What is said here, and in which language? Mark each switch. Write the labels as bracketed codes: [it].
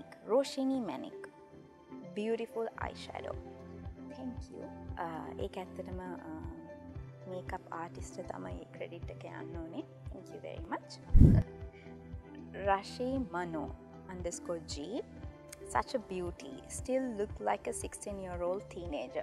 [en] Roshini Manik beautiful eyeshadow, thank you. [si] ඒක ඇත්තටම makeup artist තමයි ක්‍රෙඩිට් එක යන්න ඕනේ. [en] Thank you very much. Rashi Mano _G such a beauty, still look like a 16-year-old teenager.